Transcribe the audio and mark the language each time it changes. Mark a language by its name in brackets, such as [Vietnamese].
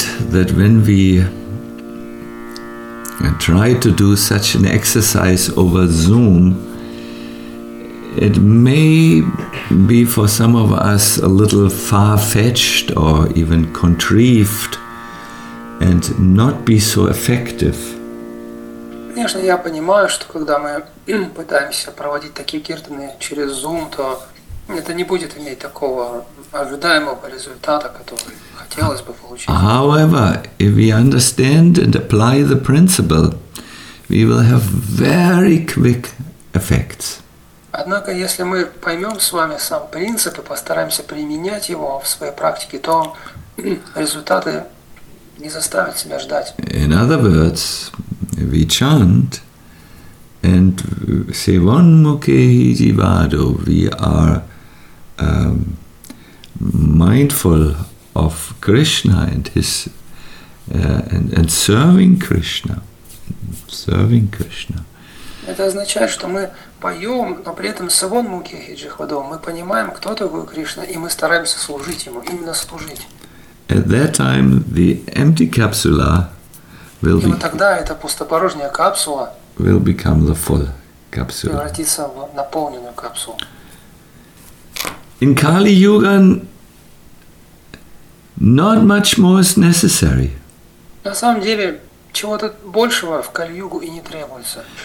[English] That when we try to do such an exercise over Zoom, it may be for some of us a little far-fetched or even contrived and not be so effective. [Russian] Конечно, я понимаю, что когда мы пытаемся проводить такие киртаны через Zoom, то это не будет иметь такого ожидаемого результата, который хотелось бы получить. [English] However, if we understand and apply the principle, we will have very quick effects. [Russian] Однако, если мы поймем с вами сам принцип и постараемся применять его в своей практике, то результаты не заставят себя ждать. [English] In other words, we chant and say Vaan Mukhehi Jivado, we are mindful of Krishna and his and serving Krishna. Serving Krishna. [Russian] Это означает, что мы поем, но при этом Саван Мукхехи Джихвадо, мы понимаем, кто такой Кришна, и мы стараемся служить ему, именно служить. [English] At that time the empty capsula will be. [Russian] И вот тогда эта пустопорожняя капсула [English] will become the full capsule. [Russian] Превратится в наполненную капсулу. [English] In Kali Yuga, not much more is necessary. [Russian] На самом деле, чего-то большего в Кали-Югу и не требуется.